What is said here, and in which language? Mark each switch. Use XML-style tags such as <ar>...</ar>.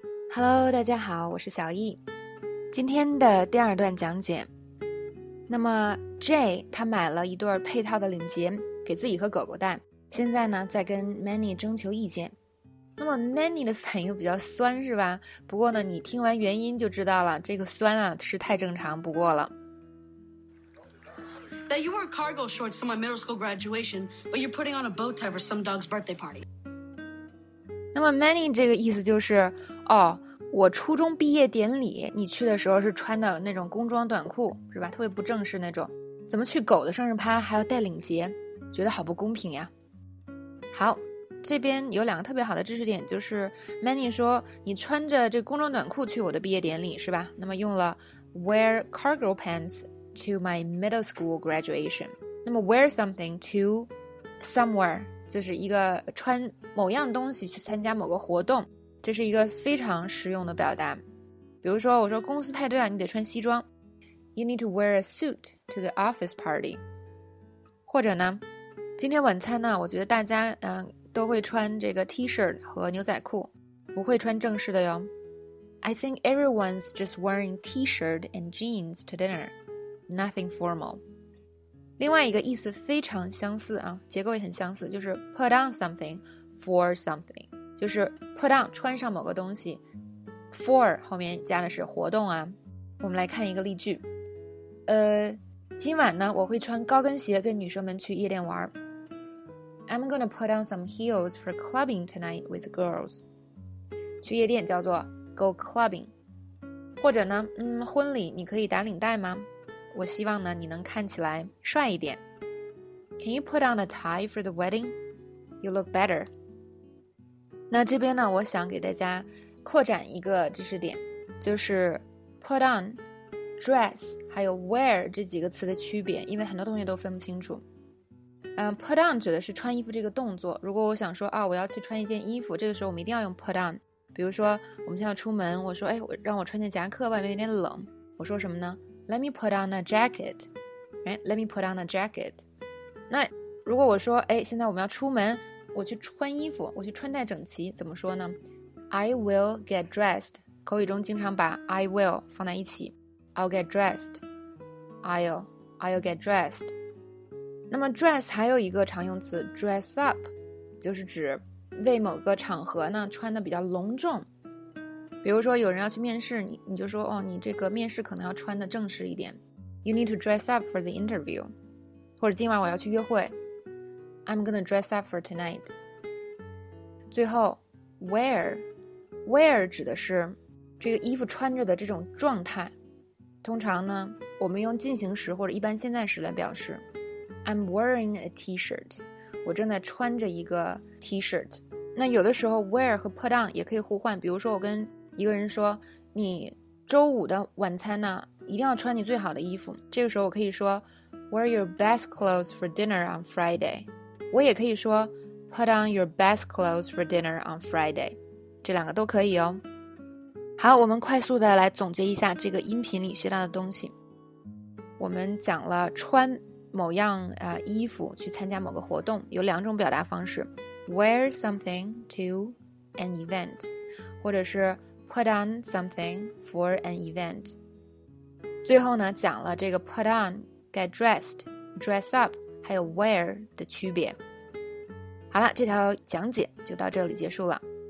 <zh>Hello， 大家好，我是小易。今天的第二段讲解，那么 J 他买了一对配套的领结给自己和狗狗戴，现在呢在跟 Manny 征求意见。那么 Manny 的反应比较酸是吧？不过呢，你听完原因就知道了，这个酸啊是太正常不过了。</zh> <en>That you wore cargo shorts to my middle school graduation, but you're putting on a bow tie for some dog's birthday party.</en> <zh>那么 Manny 这个意思就是，哦，我初中毕业典礼你去的时候是穿的那种工装短裤是吧？特别不正式那种，怎么去狗的生日趴还要戴领结？觉得好不公平呀。好，这边有两个特别好的知识点，就是 Manny 说你穿着这工装短裤去我的毕业典礼是吧？那么用了</zh> <en>wear cargo pants. To my middle school graduation.</en> <zh>那么 wear something to somewhere 就是一个穿某样东西去参加某个活动，这是一个非常实用的表达。比如说我说公司派对啊，你得穿西装。</zh> <en>You need to wear a suit to the office party.</en> <zh>或者呢，今天晚餐呢，我觉得大家都会穿这个 T-shirt 和牛仔裤，不会穿正式的哟。</zh> <en>I think everyone's just wearing T-shirt and jeans to dinner. Nothing formal.</en> <zh>另外一个意思非常相似啊，结构也很相似，就是 put on something for something. 就是 put on 穿上某个东西， for 后面加的是活动啊。我们来看一个例句，今晚呢我会穿高跟鞋跟女生们去夜店玩。</zh> <en>I'm gonna put on some heels for clubbing tonight with girls.</en> <zh>去夜店叫做 go clubbing. 或者呢，婚礼你可以打领带吗？我希望呢你能看起来帅一点。</zh> <en>Can you put on a tie for the wedding? You look better.</en> <zh>那这边呢我想给大家扩展一个知识点，就是 put on, dress, 还有 wear 这几个词的区别，因为很多同学都分不清楚。 put on 指的是穿衣服这个动作，如果我想说啊我要去穿一件衣服，这个时候我们一定要用 put on。比如说我们现在出门，我说哎让我穿件夹克，外面有点冷，我说什么呢？</zh> <en>Let me put on a jacket. Right? Let me put on a jacket.</en> <zh>那如果我说，哎，现在我们要出门，我去穿衣服，我去穿戴整齐，怎么说呢？</zh> <en>I will get dressed.</en> <zh>口语中经常把 I will 放在一起。</zh> <en>I'll get dressed. I'll get dressed.</en> <zh>那么 dress 还有一个常用词 dress up, 就是指为某个场合呢穿的比较隆重。比如说有人要去面试，你就说哦，你这个面试可能要穿的正式一点。</zh> <en>You need to dress up for the interview.</en> <zh>或者今晚我要去约会，</zh> <en>I'm gonna dress up for tonight.</en> <zh>最后 wear 指的是这个衣服穿着的这种状态，通常呢我们用进行时或者一般现在时来表示。</zh> <en>I'm wearing a t-shirt.</en> <zh>我正在穿着一个 t-shirt. 那有的时候 wear 和 put on 也可以互换，比如说我跟一个人说，你周五的晚餐呢一定要穿你最好的衣服，这个时候我可以说</zh> <en>wear your best clothes for dinner on Friday.</en> <zh>我也可以说</zh> <en>put on your best clothes for dinner on Friday.</en> <zh>这两个都可以哦。好，我们快速的来总结一下这个音频里学到的东西。我们讲了穿某样衣服去参加某个活动有两种表达方式，</zh> <en>wear something to an event. 或者是 put on something for an event.</en> <zh>最后呢讲了这个 put on, get dressed, dress up, 还有 wear 的区别。好了，这条讲解就到这里结束了。</zh>